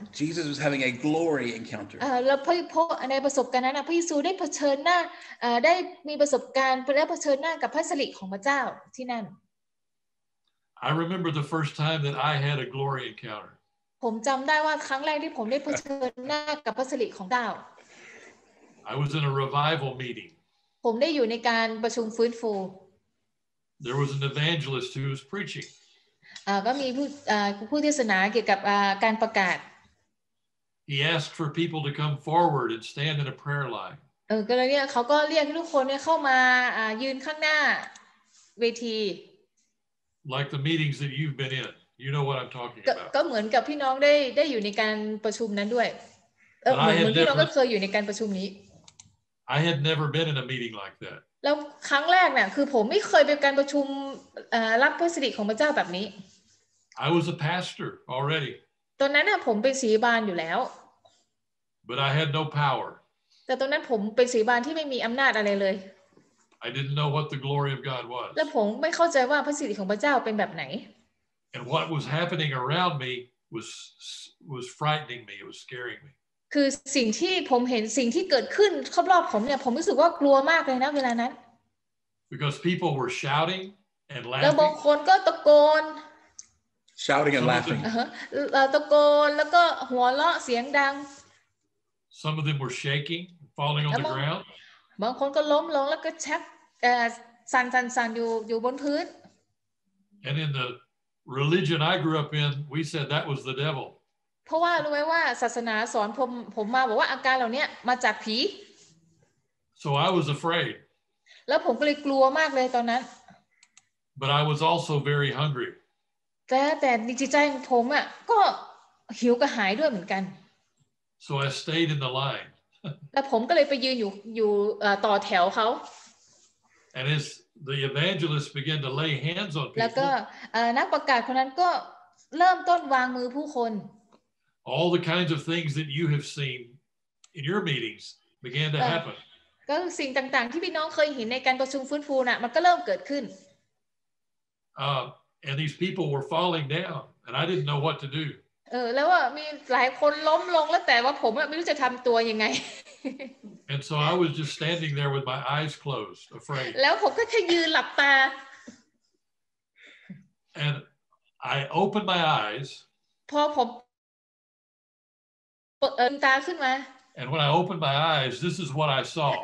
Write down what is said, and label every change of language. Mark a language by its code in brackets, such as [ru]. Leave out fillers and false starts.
[en] Jesus was having a glory encounter. [th] แล้วพอในประสบการณ์นั้นพระเยซูได้เผชิญหน้าได้มีประสบการณ์และเผชิญหน้ากับพระสิริของพระเจ้าที่นั่น [en] I remember the first time that I had a glory encounter. [th] ผมจำได้ว่าครั้งแรกที่ผมได้เผชิญหน้ากับพระสิริของเจ้า [en] I was in a revival meeting. [th] ผมได้อยู่ในการประชุมฟื้นฟู [en] There was an evangelist who was preaching. [th] ก็มีผู้เทศนาเกี่ยวกับการประกาศ [en] He asked for people to come forward and stand in a prayer line [th] ก็เลยเนี่ยเขาก็เรียกทุกคนเนี่ยเข้ามายืนข้างหน้าเวที [en] Like the meetings that you've been in you know what I'm talking about [th] ก็เหมือนกับพี่น้องได้อยู่ในการประชุมนั้นด้วยเหมือนพี่น้องก็เคยอยู่ในการประชุมนี้ [en] I had never been in a meeting like that [th] แล้วครั้งแรกเนี่ยคือผมไม่เคยไปการประชุมรับพระสิริของพระเจ้าแบบนี้ [en] I was a pastor already [th] ตอนนั้นน่ะผมเป็นศิบาลอยู่แล้ว [en] But I had no power [th] แต่ตอนนั้นผมเป็นศิบาลที่ไม่มีอำนาจอะไรเลย [en] I didn't know what the glory of God was [th] แล้วผมไม่เข้าใจว่าพระสิริของพระเจ้าเป็นแบบไหน [en] And what was happening around me was frightening me it was scaring me [th] คือสิ่งที่ผมเห็นสิ่งที่เกิดขึ้นรอบๆผมเนี่ยผมรู้สึกว่ากลัวมากเลยนะเวลานั้น [en] Because people were shouting and laughing [th] แล้วบางคนก็ตะโกน [en] Shouting and laughing [th] ตะโกนแล้วก็หัวเราะเสียงดัง [en] Some of them were shaking falling on the ground [th] บางคนก็ล้มลงแล้วก็ชักสั่นอยู่บนพื้น [en] And in the religion I grew up in we said that was the devil [th] เพราะว่ารู้ไหมว่าศาสนาสอนผมมาบอกว่าอาการเหล่านี้มาจากผี [en] So I was afraid [th] แล้วผมก็เลยกลัวมากเลยตอนนั้น [en] But I was also very hungry [th] แต่ในจิตใจผมอ่ะก็หิวกระหายด้วยเหมือนกัน [en] So I stayed in the line [th] แล้วผมก็เลยไปยืนอยู่ต่อแถวเขา [en] And as the evangelist began to lay hands on people [th] แล้วก็นักประกาศคนนั้นก็เริ่มต้นวางมือผู้คน [en] All the kinds of things that you have seen in your meetings began to happen. [th] ก็สิ่งต่างๆที่พี่น้องเคยเห็นในการประชุมฟื้นฟูน่ะมันก็เริ่มเกิดขึ้น [en] And these people were falling down and I didn't know what to do. [th] เออแล้วว่ามีหลายคนล้มลงแล้วแต่ว่าผมอ่ะไม่รู้จะทําตัวยังไง [en] And so I was just standing there with my eyes closed, afraid. [th] แล้วผมก็แค่ยืนหลับตา [en] And I opened my eyes. [th] พอผมเปิดตาขึ้นมา [en] And when I opened my eyes, this is what I saw.